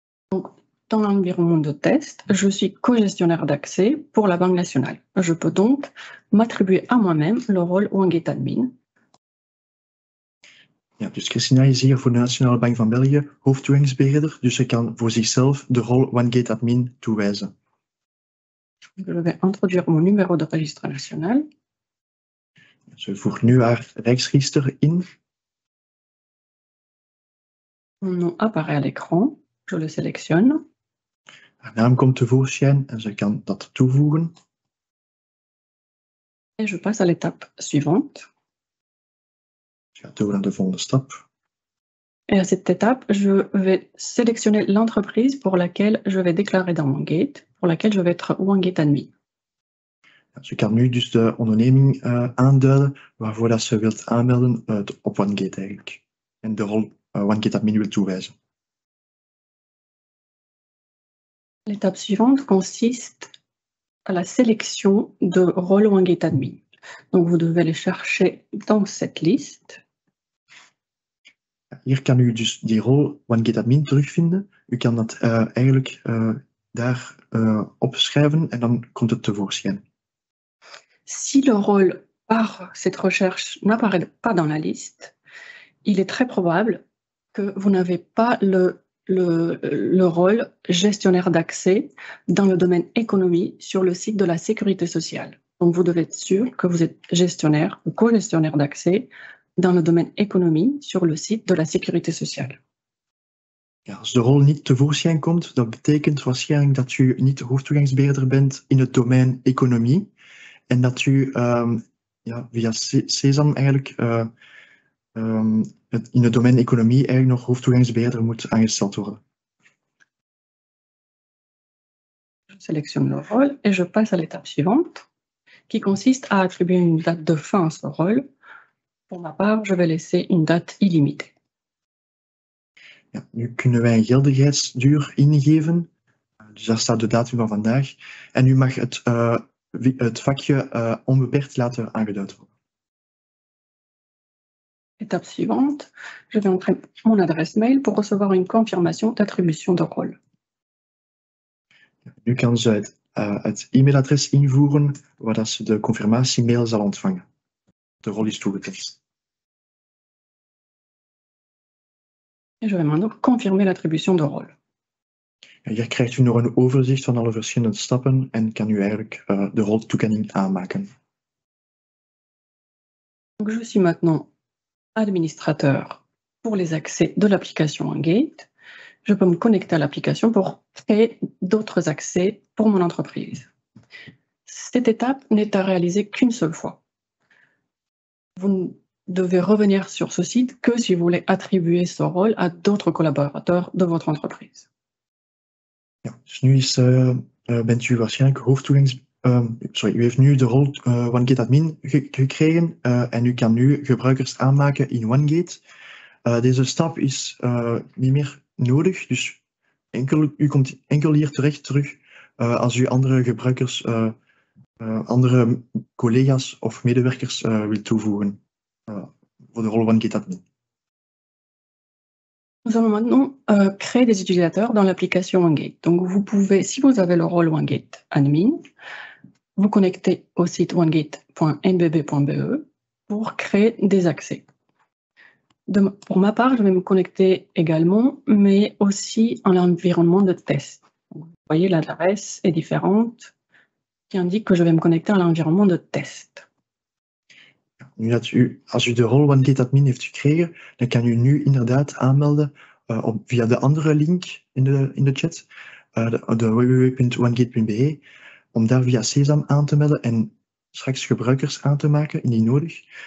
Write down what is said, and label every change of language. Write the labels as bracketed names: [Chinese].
[French] Donc, dans l'environnement de test, je suis co-gestionnaire d'accès pour la Banque nationale. Je peux donc m'attribuer à moi-même le rôle OneGate Admin. [Dutch] Ja, dus Christina is hier voor de Nationale Bank van België hoofdtoegangsbeheerder, dus ze kan voor zichzelf de rol OneGate Admin toewijzen. [French] Je vais introduire mon numéro de registre national. [Dutch] Ze voegt nu haar Rijksregister in. [French] Mon nom apparaît à l'écran. Je le sélectionne. [Dutch] Haar naam komt tevoorschijn en ze kan dat toevoegen. [French] Et je passe à l'étape suivante. [Dutch] Ze gaat door naar de volgende stap. [French] Et à cette étape, je vais sélectionner l'entreprise pour laquelle je vais déclarer dans mon gate, pour laquelle je vais être OneGate admin. [Dutch] Ze kan nu dus de onderneming aanduiden waarvoor dat ze wilt aanmelden op OneGate eigenlijk. En de rol OneGate admin wil toewijzen. [French] L'étape suivante consiste à la sélection de rôle OneGate admin. Donc vous devez les chercher dans cette liste. [Dutch] Hier kan u dus die rol OneGate Admin terugvinden. U kan dat eigenlijk daar opschrijven en dan komt het tevoorschijn. [French] Si le rôle par cette recherche n'apparaît pas dans la liste, il est très probable que vous n'avez pas le rôle gestionnaire d'accès dans le domaine économie sur le site de la Sécurité sociale. Donc vous devez être sûr que vous êtes gestionnaire ou co-gestionnaire d'accès dans le domaine économie sur le site de la Sécurité sociale. [Dutch] Ja, als de rol niet tevoorschijn komt, dat betekent waarschijnlijk dat u niet hoofdtoegangsbeheerder bent in het domein economie en dat u via Sesam eigenlijk in het domein economie eigenlijk nog hoofdtoegangsbeheerder moet aangesteld worden. [French] Je sélectionne le rôle et je passe à l'étape suivante, qui consiste à attribuer une date de fin à ce rôle. Pour ma part, je vais laisser une date illimitée. [Dutch] Ja, nu kunnen wij een geldigheidsduur ingeven. Dus daar staat de datum van vandaag. En u mag het vakje onbeperkt laten aangeduid worden. [French] Étape suivante, je vais entrer mon adresse mail pour recevoir une confirmation d'attribution de rôle. [Dutch] Ja, nu kan ze het e-mailadres invoeren waar dat ze de confirmatie-mail zal ontvangen. De rol is toegekend. [French] Et je vais maintenant confirmer l'attribution de rôle. [Dutch] Hier krijgt u nog een overzicht van alle verschillende stappen en kan u eigenlijk de roltoekenning aanmaken. [French] Donc je suis maintenant administrateur pour les accès de l'application Engate. Je peux me connecter à l'application pour créer d'autres accès pour mon entreprise. Cette étape n'est à réaliser qu'une seule fois. Vous devez revenir sur ce site que si vous voulez attribuer ce rôle à d'autres collaborateurs de votre entreprise. [Dutch] Ja, dus nu is, bent u waarschijnlijk hoofdtoegangs... sorry, u heeft nu de rol OneGate Admin gekregen en u kan nu gebruikers aanmaken in OneGate. Deze stap is niet meer nodig, dus u komt enkel hier terecht terug als u andere gebruikers, andere collega's of medewerkers wilt toevoegen. Voor de rol van Git Admin. [French] Nous allons maintenant créer des utilisateurs dans l'application OneGate. Donc, vous pouvez, si vous avez le rôle OneGate Admin, vous connecter au site onegate.nbb.be pour créer des accès. Pour ma part, je vais me connecter également, mais aussi en l'environnement de test. Donc, vous voyez, l'adresse est différente qui indique que je vais me connecter à l'environnement de test. [Dutch] Nu dat u, als u de rol OneGate Admin heeft gekregen, dan kan u nu inderdaad aanmelden via de andere link in de chat, de www.onegate.be, om daar via Sesam aan te melden en straks gebruikers aan te maken, indien nodig.